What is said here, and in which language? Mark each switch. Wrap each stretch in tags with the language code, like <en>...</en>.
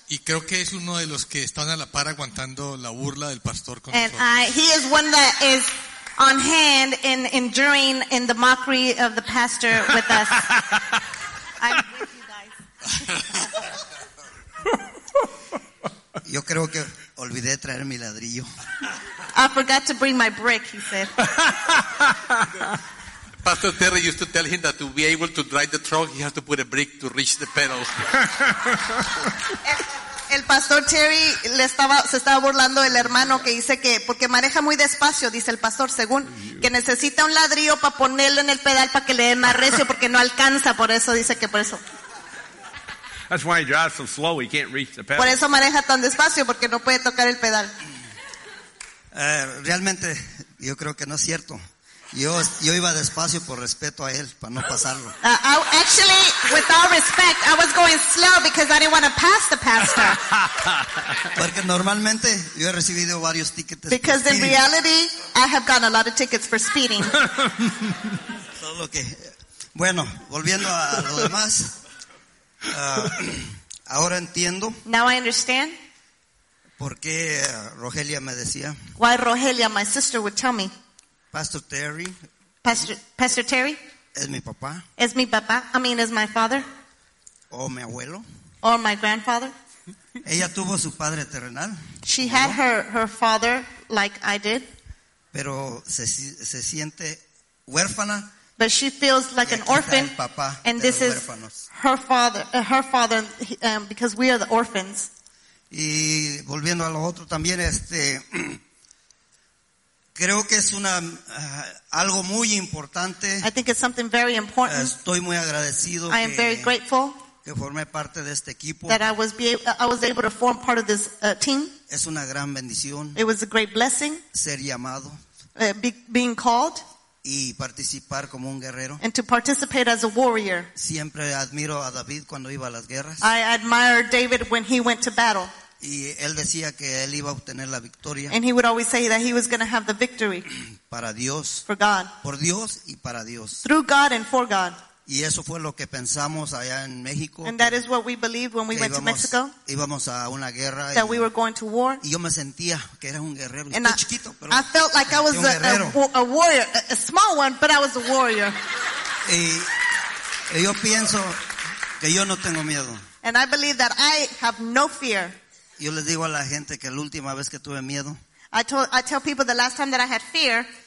<es>Y creo que es uno de los que están a la par aguantando la burla del pastor con</es> <en>and</en> <es>nosotros.</es> <en>He is one that is on hand in enduring in the mockery of the pastor with us. I'm with you guys.</en> <es>Yo creo que olvidé traer mi ladrillo.</es> <en>I forgot to bring my brick, he said. Pastor Terry used to tell him that to be able to drive the truck, he has to put a brick to reach the pedals.</en> <es>El pastor Terry se estaba burlando del hermano que dice que porque maneja muy despacio, dice el pastor, según que necesita un ladrillo para ponerlo en el pedal para que le dé más recio porque no alcanza, por eso dice que por eso.</es> <en>That's why he drives so slow, he can't reach the pedal.</en> <es>Por eso maneja tan despacio porque no puede tocar el pedal. Realmente yo creo que no es cierto. Yo iba despacio por respeto a él, para no pasarlo.</es> <en>Actually, with all respect, I was going slow because I didn't want to pass the pastor.</en> <es>Porque normalmente yo he recibido varios tickets.</es> <en>Because in reality, I have gotten a lot of tickets for speeding.</en> <es>Solo que, bueno, volviendo a lo demás, ahora entiendo.</es> <en>Now I understand.</en> <es>¿Por qué Rogelia me decía?</es> <en>Why Rogelia, my sister, would tell me. Pastor Terry. Pastor Terry.</en> <es>Es mi papá. Es mi papá. I mean, es my father. O mi abuelo.</es> <en>Or my grandfather.</en> <es>Ella tuvo su padre terrenal.</es> <en>She had her father like I did.</en> <es>Pero se siente huérfana.</es> <en>But she feels like an orphan.</en> <es>Papá,</es> <en>and this is her father, because we are the orphans.</en> <es>Y volviendo a lo otro también, creo que es una algo muy importante.</es> <en>I think it's something very important.</en> <es>Estoy muy agradecido.</es> <en>I am very grateful</en> <es>que formé parte de este equipo.</es> <en>That I was able to form part of this team.</en> <es>Es una gran bendición.</es> <en>It was a great blessing.</en> <es>Ser llamado.</es> <en>Being called.</en> <es>Y participar como un guerrero.</es> <en>And to participate as a warrior.</en> <es>Siempre admiro a David cuando iba a las guerras.</es> <en>I admire David when he went to battle.</en> <es>Y él decía que él iba a obtener la victoria.</es> <en>And he would always say that he was going to have the victory.</en> <es>Para Dios.</es> <en>For God.</en> <es>Por Dios y para Dios.</es> <en>Through God and for God.</en> <es>Y eso fue lo que pensamos allá en México.</es> <en>And that is what we believed when we went to Mexico.</en> <es>Íbamos a una guerra.</es> <en>That we were going to war.</en> <es>Y yo me sentía que era un guerrero. Estaba chiquito, pero</es> <en>I felt like I was a warrior, a small one, but I was a warrior.</en> <es>Y yo pienso que yo no tengo miedo.</es> <en>And I believe that I have no fear.</en> <es>Yo les digo a la gente que la última vez que tuve miedo.</es> <en>I tell people the last time that I had fear.</en>